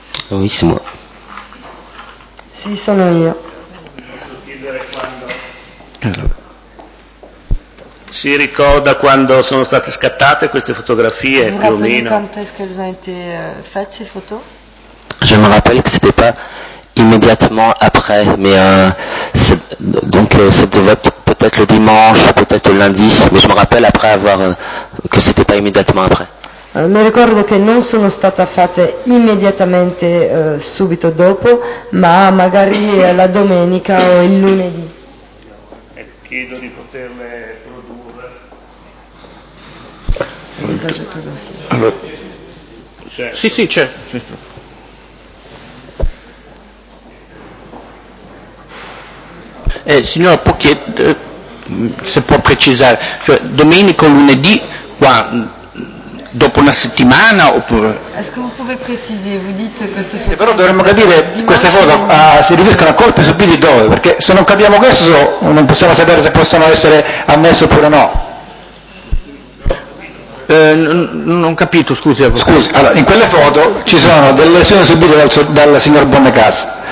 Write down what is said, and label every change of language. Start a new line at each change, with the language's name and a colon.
French: Oui, c'est moi.
Italian: Sì, sono io. Posso chiedere quando. Si ricorda quando sono state scattate queste fotografie, più o meno?
French: Quando est-ce qu'elles ont été faites, ces photos? Je me rappelle que c'était pas immédiatement après, mais ça devait être peut-être le dimanche, peut-être le lundi, mais je me rappelle après avoir que c'était pas immédiatement après.
Italian: Mi ricordo che non sono state fatte immediatamente subito dopo, ma magari la domenica o il lunedì. Chiedo di poterle produrre. Allora. Sì, sì, c'è. Signora, può chiedere, se può precisare, cioè domenico, lunedì, qua, dopo una settimana oppure...
French: Est-ce que vous pouvez préciser, vous dites que ces
Italian: photos... Però dovremmo capire queste foto si riferiscono a colpi subiti dove, perché se non capiamo questo non possiamo sapere se possono essere ammesse oppure no. Non ho capito, scusi. Scusi, allora, in quelle foto ci sono delle lesioni subite dal signor Bonnecas.